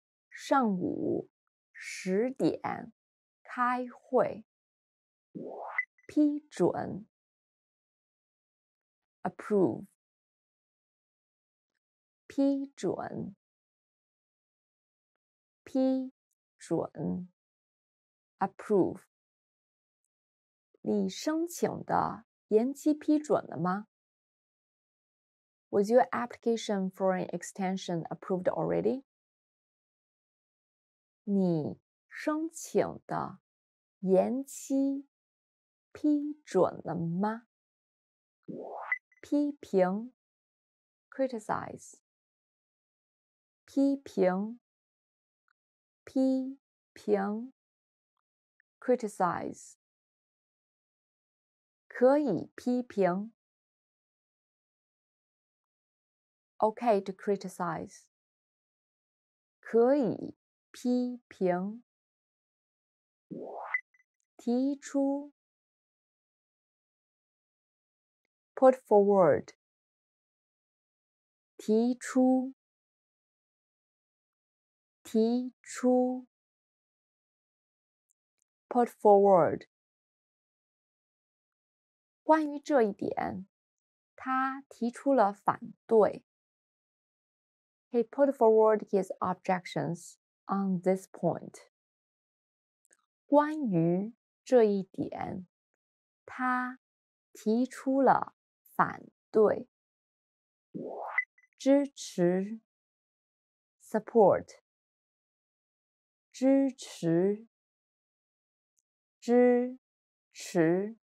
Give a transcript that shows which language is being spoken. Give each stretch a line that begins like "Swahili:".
Chinese: 上午十点开会批准 Approve. 批准批准 approve。你申请的延期批准了吗？
English: Was your application for an extension approved already?
Chinese: 你申请的延期批准了吗？批评
English: criticize，
Chinese: 批评，批评
English: criticize。
Chinese: 可以批评
English: Okay to criticize
Chinese: 可以批评提出
English: Put forward
Chinese: 提出提出
English: Put forward
Chinese: 关于这一点，他提出了反对。
English: He put forward his objections on this point.
Chinese: 关于这一点，他提出了反对。支持
English: Support
Chinese: 支持支持